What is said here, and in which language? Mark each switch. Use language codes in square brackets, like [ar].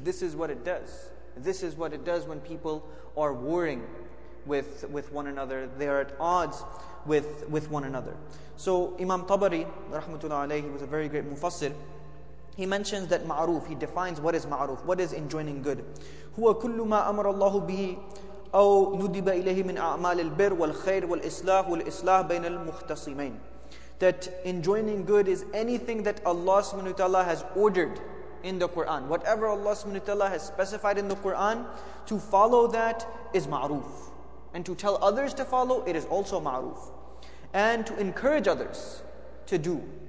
[en] This is what it does. This is what it does when people are warring with one another. They are at odds with one another. So Imam Tabari, rahmatullah alayhi, was a very great mufassir. He mentions that ma'ruf, he defines what is ma'ruf, what is enjoining good. [ar] هو كل ما أمر الله به أو ندب إليه من أعمال البر والخير والإصلاح والإصلاح بين المختصمين. [en] That enjoining good is anything that Allah subhanahu wa ta'ala has ordered in the Quran. Whatever Allah subhanahu wa ta'ala has specified in the Quran, to follow that is ma'ruf. And to tell others to follow, it is also ma'ruf. And to encourage others to do.